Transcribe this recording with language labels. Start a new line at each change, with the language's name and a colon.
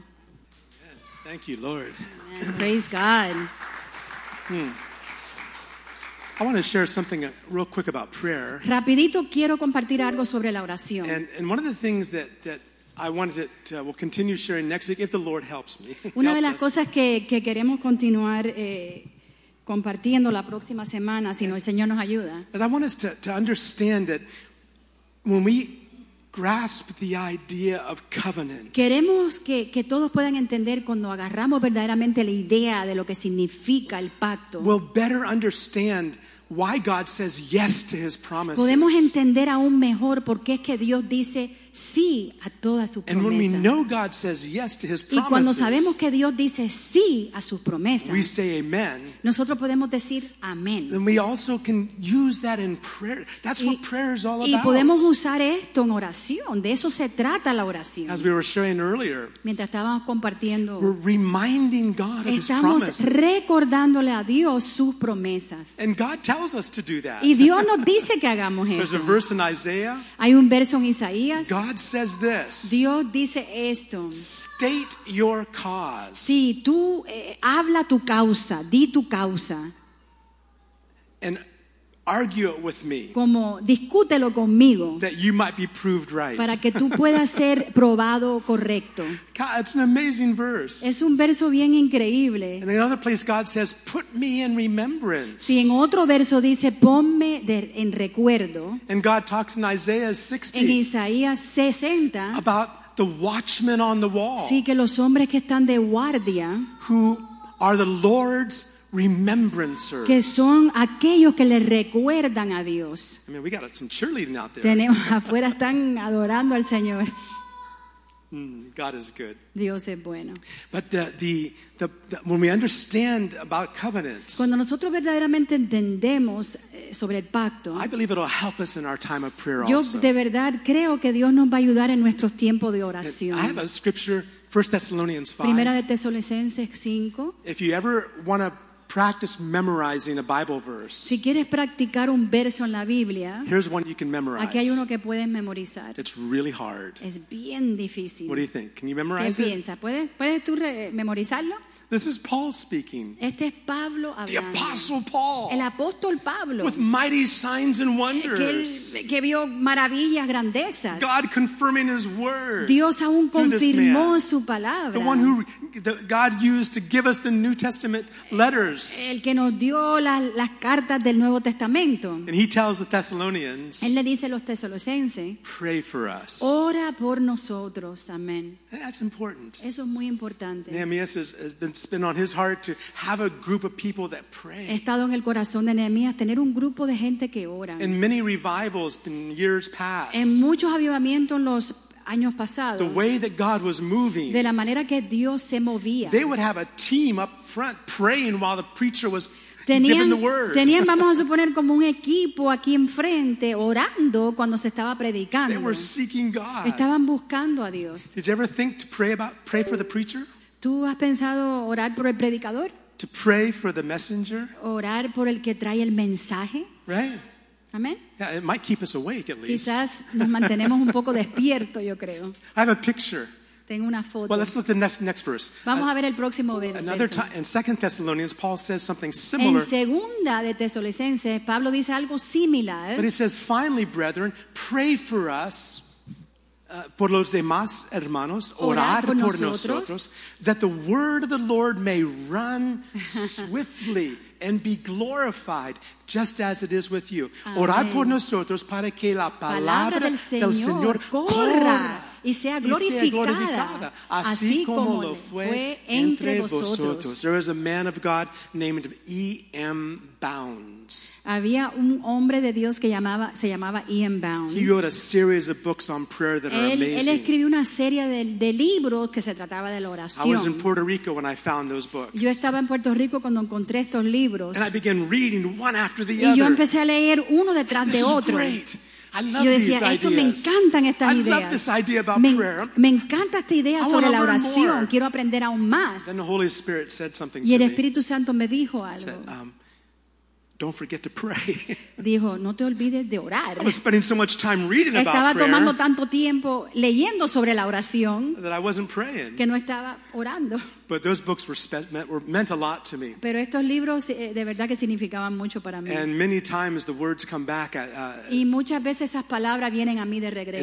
English: Amen. Thank you, Lord. Amen. Praise God. I want to share something real quick about prayer.
Spanish: Rapidito quiero compartir algo sobre la oración.
English: And one of the things that I wanted to we'll continue sharing next week, if the Lord helps me.
Spanish: Una de las cosas que queremos continuar compartiendo la próxima semana, si no el Señor nos ayuda.
English: As I want us to understand that when we grasp the idea of covenant.
Spanish: Queremos que todos puedan entender cuando agarramos verdaderamente la idea de lo que significa el pacto.
English: We'll better understand why God says yes to his promises.
Spanish: Podemos entender aún mejor por qué es que Dios dice sí a todas sus promesas.
English: And when we know God says yes to his promises.
Spanish: Y cuando sabemos que Dios dice sí a sus promesas.
English: We say amen.
Spanish: Nosotros podemos decir amén.
English: And we also can use that in prayer. That's what prayer is all about.
Spanish: Y podemos usar esto en oración. De eso se trata la oración.
English: As we were sharing earlier.
Spanish: Mientras estábamos compartiendo.
English: We're reminding God of his promises.
Spanish: Estamos recordándole a Dios sus promesas.
English: And God tells us to do that.
Spanish: Y Dios nos dice que hagamos eso.
English: There's a verse in Isaiah.
Spanish: Hay un verso en Isaías.
English: God says this.
Spanish: Dios dice esto.
English: State your cause.
Spanish: Sí, tú habla tu causa, di tu causa.
English: And argue it with me.
Spanish: Como discútelo conmigo.
English: That you might be proved right.
Spanish: Para que tú puedas ser probado correcto.
English: God, it's an amazing verse.
Spanish: Es un verso bien increíble.
English: And in another place God says, put me in remembrance.
Spanish: Sí, en otro verso dice, ponme en recuerdo.
English: And God talks in Isaiah 60.
Spanish: En Isaías 60.
English: About the watchmen on the wall.
Spanish: Sí, que los hombres que están de guardia.
English: Who are the Lord's remembrancers.
Spanish: Que son aquellos que le recuerdan a Dios.
English: I mean, we got some cheerleading out there.
Spanish: Tenemos afuera están adorando al Señor.
English: God is good.
Spanish: Dios es bueno.
English: But the when we understand about covenants.
Spanish: Cuando nosotros verdaderamente entendemos sobre el pacto.
English: I believe it'll help us in our time of prayer
Spanish: yo
English: also.
Spanish: Yo de verdad creo que Dios nos va a ayudar en nuestros tiempos de oración.
English: I have a scripture First Thessalonians 5.
Spanish: Primera de Tesalonicenses 5.
English: If you ever want to practice memorizing a Bible verse.
Spanish: Si quieres practicar un verso en la Biblia.
English: Here's one you can memorize.
Spanish: Aquí hay uno que puedes memorizar.
English: It's really hard.
Spanish: Es bien difícil.
English: What do you think? Can you memorize
Spanish: ¿Qué piensa?
English: It?
Spanish: ¿Puedes tú memorizarlo?
English: This is Paul speaking.
Spanish: Este es Pablo hablando.
English: The Apostle Paul.
Spanish: El apóstol Pablo.
English: With mighty signs and wonders.
Spanish: Que vio maravillas, grandezas.
English: God confirming His word.
Spanish: Dios aún confirmó su palabra.
English: The one who God used to give us the New Testament letters.
Spanish: El que nos dio las cartas del Nuevo Testamento.
English: And he tells the Thessalonians.
Spanish: Él le dice a los tesalonicenses.
English: Pray for us.
Spanish: Ora por nosotros, amén.
English: That's important.
Spanish: Eso es muy importante.
English: Nehemiah has been on his heart to have a group of people that pray.
Spanish: He estado en el corazón de Nehemías tener un grupo de gente que ora.
English: In many revivals in years past.
Spanish: En muchos avivamientos en los años pasados.
English: The way that God was moving.
Spanish: De la manera que Dios se movía.
English: They would have a team up front praying while the preacher was
Spanish: tenían,
English: given the word.
Spanish: Tenían, vamos a suponer, como un equipo aquí enfrente orando cuando se estaba predicando.
English: They were seeking God.
Spanish: Estaban buscando a Dios.
English: Did you ever think to pray for the preacher?
Spanish: ¿Tú has pensado orar por el predicador?
English: To pray for the messenger?
Spanish: Orar por el que trae el mensaje.
English: Right.
Spanish: Amen.
English: Yeah, it might keep us awake at least.
Spanish: Quizás nos mantenemos un poco despierto, yo creo.
English: I have a picture.
Spanish: Tengo una foto.
English: Well, let's look at the next verse.
Spanish: Vamos a ver el próximo verso.
English: Another time, in 2 Thessalonians, Paul says something similar.
Spanish: En segunda de Tesalonicenses, Pablo dice algo similar.
English: But he says, finally, brethren, pray for us.
Spanish: Por los demás hermanos, orar por nosotros,
English: that the word of the Lord may run swiftly and be glorified, just as it is with you. Amen.
Spanish: Orar por nosotros para que la palabra del Señor corra y sea glorificada, así como lo fue entre vosotros.
English: There was a man of God named E.M. Bounds.
Spanish: Había un hombre de Dios que se llamaba E.M. Bounds.
English: He wrote a series of books on prayer that are amazing.
Spanish: Él escribió una serie de libros que se trataba de la oración.
English: I was in Puerto Rico when I found those books.
Spanish: Yo estaba en Puerto Rico cuando encontré estos libros.
English: And I began reading one after the other.
Spanish: Y yo empecé a leer uno detrás de otro.
English: This is great. I love
Spanish: yo decía,
English: these ideas.
Spanish: Me encantan estas
English: I
Spanish: ideas.
English: Love this idea about prayer.
Spanish: Me encanta esta idea
English: I
Spanish: sobre la oración. Quiero aprender aún más.
English: Then the Holy Spirit said something
Spanish: y
English: to
Spanish: el Espíritu Santo me dijo algo.
English: Said, don't forget to pray.
Spanish: Dijo, no te olvides de orar.
English: I was spending so much time reading
Spanish: estaba
English: about prayer.
Spanish: Estaba tomando tanto tiempo leyendo sobre la oración.
English: That I wasn't praying.
Spanish: Que no estaba orando.
English: But those books meant a lot to me.
Spanish: Pero estos libros de verdad que significaban mucho para mí.
English: And many times the words come back.
Spanish: Y muchas veces esas palabras vienen a mí de regreso.